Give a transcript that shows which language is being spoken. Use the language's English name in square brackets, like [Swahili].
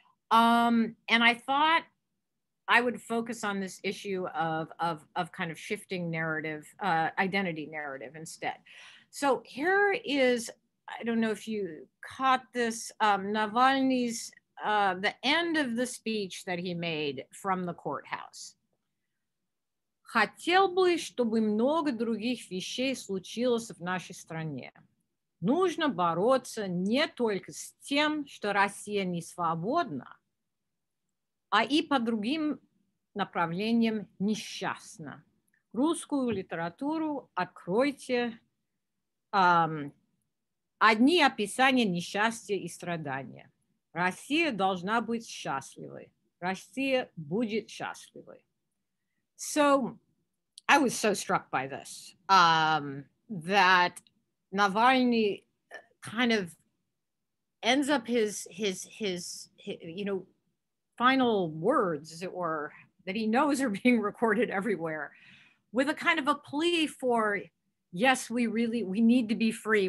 [English] And I thought I would focus on this issue of kind of shifting narrative, identity narrative instead. So here is, I don't know if you caught this, Navalny's, the end of the speech that he made from the courthouse. [Russian] Хотел бы, чтобы много других вещей случилось в нашей стране. Нужно бороться не только с тем, что Россия не свободна, а и по другим направлениям несчастна. Русскую литературу откройте. Одни описания несчастья и страдания. Россия должна быть счастливой. Россия будет счастливой. [English] So I was so struck by this, that Navalny kind of ends up his you know, final words, as it were, that he knows are being recorded everywhere, with a kind of a plea for, yes, we need to be free.